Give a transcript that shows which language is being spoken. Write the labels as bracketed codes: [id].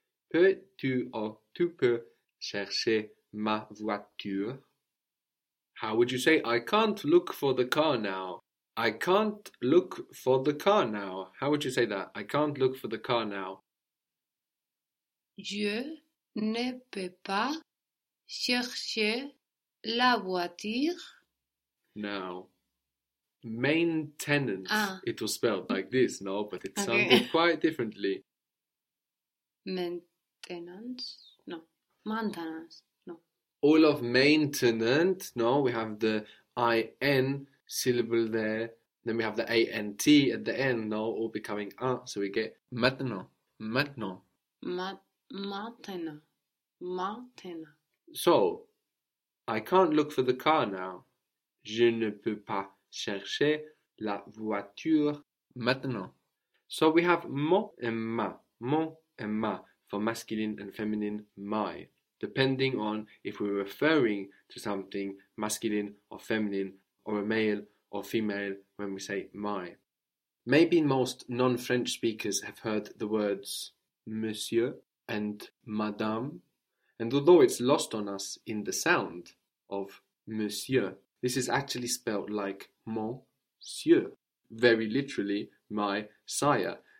[fr] Peux-tu or tu peux chercher ma voiture? [en] How would you say, I can't look for the car now? I can't look for the car now. How would you say that? I can't look for the car now. [fr] Je ne peux pas chercher la voiture. [en] Now, maintenance, Ah. it was spelled like this, no, but it sounded Okay. quite differently. Maintenance? No. Maintenance. All of maintenance, no, we have the IN syllable there. Then we have the ANT at the end, no, all becoming A, so we get [fr] maintenant, maintenant. Ma Martina, Martina. [en] So, I can't look for the car now. [fr] Je ne peux pas chercher la voiture maintenant. [en] So we have [fr] mon et ma [en] for masculine and feminine, my, depending on if we're referring to something masculine or feminine or a male or female when we say my. Maybe most non-French speakers have heard the words monsieur and madame, and although it's lost on us in the sound of monsieur, this is actually spelled like monsieur, very literally my sire.